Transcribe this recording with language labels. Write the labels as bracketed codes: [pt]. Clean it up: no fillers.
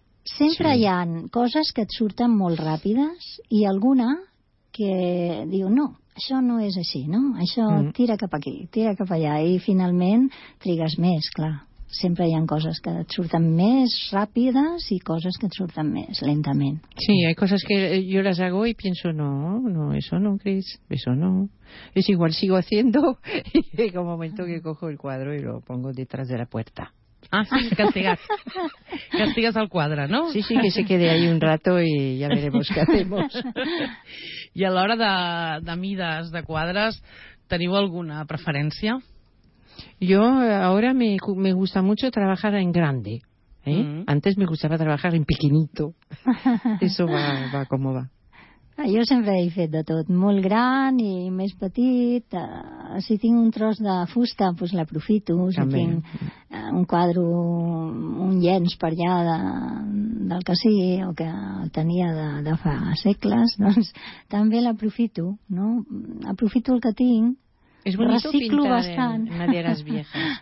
[ca] Sempre hi ha coses que et surten molt ràpides i alguna que diu no. Això no és així, no? Això tira cap aquí, tira cap allà, i finalment trigues més, clar. Sempre hi ha coses que et surten més ràpides i coses que et surten més lentament. Sí, hi ha coses que jo les [es] hago [ca] i penso, no, [es] eso no, Cris, eso no. Es igual sigo haciendo, y llega un momento que cojo el cuadro y lo pongo detrás de la puerta. [ca] Ah, sí, [es] castigas [ca] el quadre, no? [es] Sí, sí, que se quede ahí un rato y ya veremos qué hacemos. [ca] I a l'hora de mides de quadres, teniu alguna preferència? [es] Yo ahora me gusta mucho trabajar en grande. Antes me gustaba trabajar en pequeñito. Eso va como va. [ca] Jo sempre he fet de tot, molt gran i més petit. Si tinc un tros de fusta, doncs l'aprofito. Si tinc un quadre, un llenç per allà del que sigui, o que el tenia de fa segles, doncs també l'aprofito, no? Aprofito el que tinc. És [es] bonito pintar en maderes viejas.